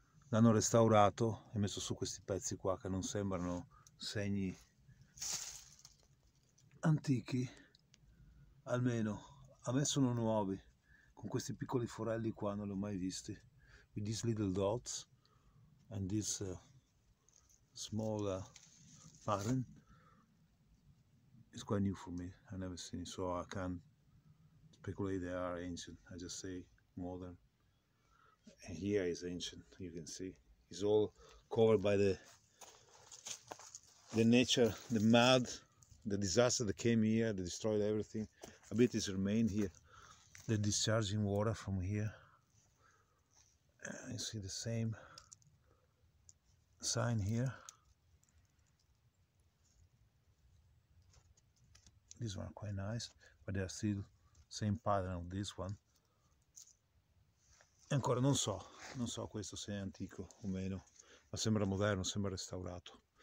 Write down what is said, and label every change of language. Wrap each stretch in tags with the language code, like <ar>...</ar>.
<it>L'hanno restaurato e messo su questi pezzi qua che non sembrano segni antichi. Almeno, a me sono nuovi, con questi piccoli forelli qua, non li ho mai visti.</it> <en>With these little dots and this small pattern, it's quite new for me. I never seen it, so I can't speculate they are ancient. I just say modern. And here is ancient, you can see. It's all covered by the nature, the mud, the disaster that came here, that destroyed everything. A bit is remained here. The discharging water from here. You see the same sign here. These ones are quite nice, but they are still same pattern of this one.</en> <it>Ancora non so questo se è antico o meno, ma sembra moderno, sembra restaurato.</it>